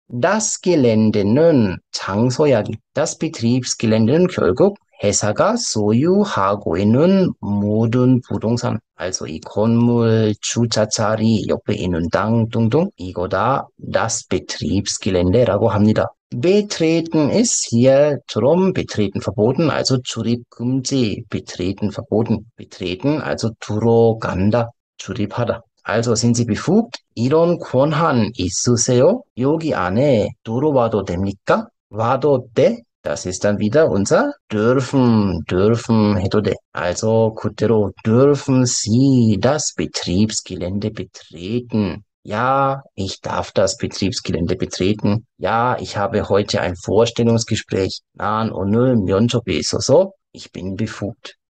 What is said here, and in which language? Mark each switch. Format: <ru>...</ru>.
<de>Das Geländenen,</de> <ko>장소 이야기. Das Betriebsgeländen 결국 회사가 소유하고 있는 모든 부동산. Also 이 건물, 주차자리, 옆에 있는 땅 등등. 이거 다 das Betriebsgelände라고 합니다.</ko> <de>Betreten ist hierherum betreten verboten, also</de> <ko>출입금지,</ko> <de>betreten verboten.</de> <ko>Betreten, also 들어간다, 출입하다.</ko> <de>Also sind Sie befugt?</de> <ko>이런 권한 있으세요? 여기 안에 들어와도 됩니까? 와도 돼?</ko> <de>Das ist dann wieder unser dürfen</de> <ko>해도 돼.</ko> <de>Also</de> <ko>그대로</ko> <de>dürfen Sie das Betriebsgelände betreten? Ja, ich darf das Betriebsgelände betreten. Ja, ich habe heute ein Vorstellungsgespräch. Nein,</de> <ko>오늘 면접이 있어서</ko> <de>ich bin befugt.</de>